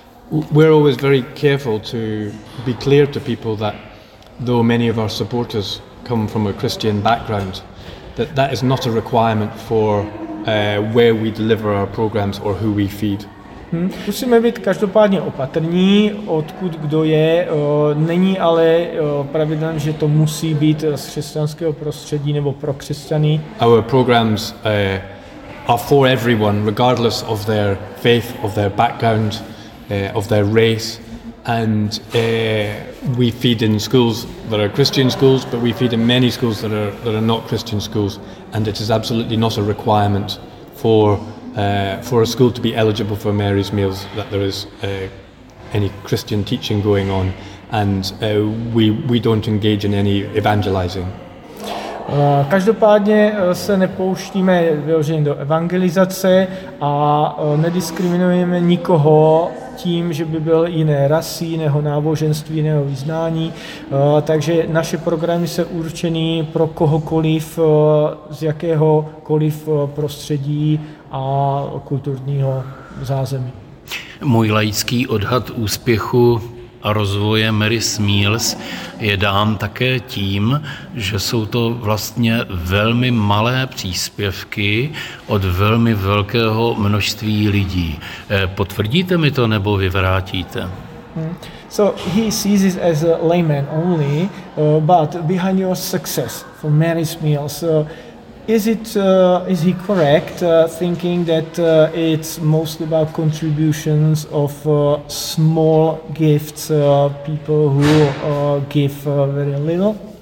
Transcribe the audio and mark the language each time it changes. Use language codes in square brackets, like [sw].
[en] We're always very careful to be clear to people that though many of our supporters come from a Christian background, that is not a requirement for where we deliver our programs or who we feed. [cs] Musíme být každopádně opatrní, odkud kdo je, není ale pravidlem, že to musí být z křesťanského prostředí nebo pro křesťany. [en] Our programs are for everyone, regardless of their faith, of their background, of their race. And we feed in schools that are Christian schools, but we feed in many schools that are not Christian schools. And it is absolutely not a requirement for a school to be eligible for Mary's Meals that there is any Christian teaching going on. And we don't engage in any evangelizing. [cs] Každopádně se nepouštíme vyloženě do evangelizace a nediskriminujeme nikoho tím, že by byl jiné rasy, jiného náboženství, jiného vyznání. Takže naše programy jsou určené pro kohokoliv z jakéhokoliv prostředí a kulturního zázemí. Můj laický odhad úspěchu a rozvoje Mary's Meals je dán také tím, že jsou to vlastně velmi malé příspěvky od velmi velkého množství lidí. Potvrdíte mi to nebo vyvrátíte? [en] So he sees it as a layman only, but behind your success for Mary's Meals, is he correct thinking that it's mostly about contributions of small gifts, people who give very little?